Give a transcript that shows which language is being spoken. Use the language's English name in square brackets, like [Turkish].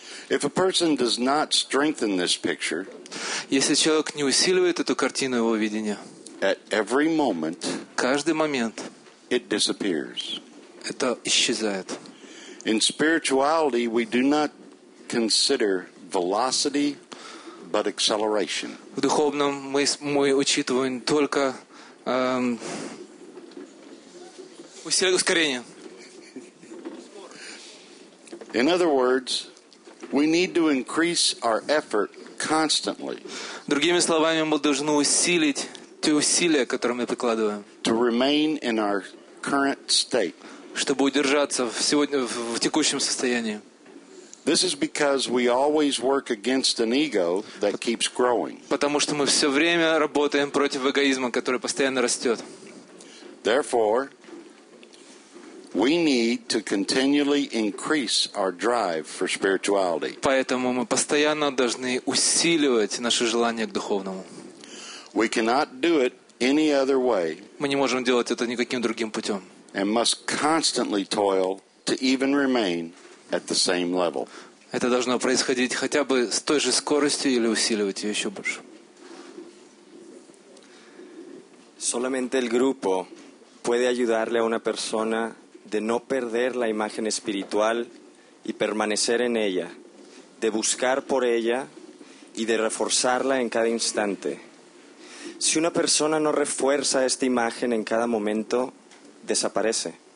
[English] If a person does not strengthen this picture, [Russian] если человек не усиливает эту картину его видения, [English] at every moment, [Russian] каждый момент, [English] it disappears. [Russian] Это исчезает. [English] In spirituality, we do not consider velocity, but acceleration. [Russian] В духовном мы учитываем только ускорение. [English] In other words, we need to increase our effort constantly. [Russian] Другими словами, мы должны усилить те усилия, которые мы прикладываем. [English] To remain in our current state. [Russian] Чтобы удержаться в сегодня в текущем состоянии. [English] This is because we always work against an ego that keeps growing. [Russian] Потому что мы все время работаем против эгоизма, который постоянно растет. [English] Therefore, we need to continually increase our drive for spirituality. [Russian] Поэтому мы постоянно должны усиливать наше желание к духовному. [English] We cannot do it any other way. [Russian] Мы не можем делать это никаким другим путем. [English] And must constantly toil to even remain at the same level. [Russian] Это должно происходить хотя бы с той же скоростью или усиливать ее еще больше. [Spanish] Solamente el grupo puede ayudarle a una persona de no perder la imagen espiritual y permanecer en ella, de buscar por ella y de reforzarla en cada instante. Si una persona no refuerza esta imagen en cada momento, desaparece.